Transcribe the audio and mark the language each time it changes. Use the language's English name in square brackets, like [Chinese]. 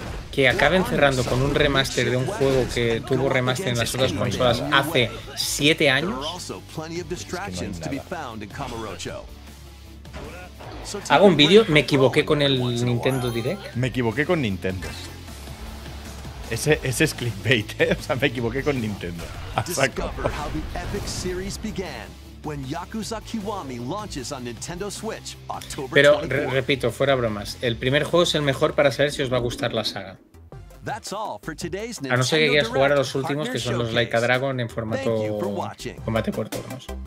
[Spanish] Que acaben cerrando con un remaster de un juego que tuvo remaster en las otras consolas hace 7 años. [English] There are also plenty of distractions to be found in Kamurocho. [Spanish] Hago un vídeo, me equivoqué con el Nintendo Direct. Me equivoqué con Nintendo. Ese es clickbait, ¿eh? O sea, me equivoqué con Nintendo. [English] Discover how the epic series began when Yakuza Kiwami launches on Nintendo Switch October. [Spanish] Pero repito, fuera bromas, el primer juego es el mejor para saber si os va a gustar la saga. A no ser que quieras jugar a los últimos, que son los Like a Dragon en formato combate por turnos.